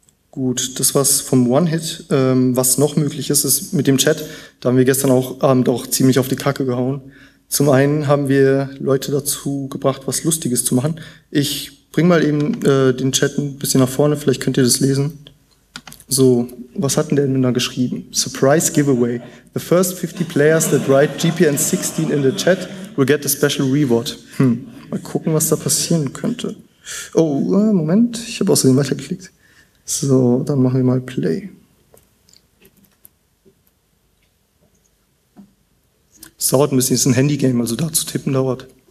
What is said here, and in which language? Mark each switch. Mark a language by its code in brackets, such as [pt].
[de] Gut, das war's vom One-Hit. Was noch möglich ist, ist mit dem Chat. Da haben wir gestern auch Abend auch ziemlich auf die Kacke gehauen. Zum einen haben wir Leute dazu gebracht, was Lustiges zu machen. Ich bring mal eben den Chat ein bisschen nach vorne, vielleicht könnt ihr das lesen. So, was hat denn der da geschrieben? [en] Surprise Giveaway. The first 50 players that write GPN16 in the chat will get a special reward. [de] Mal gucken, was da passieren könnte. Oh, Moment, ich habe außerdem weitergeklickt. So, dann machen wir mal Play. Das dauert ein bisschen, das ist ein Handygame, also da zu tippen dauert.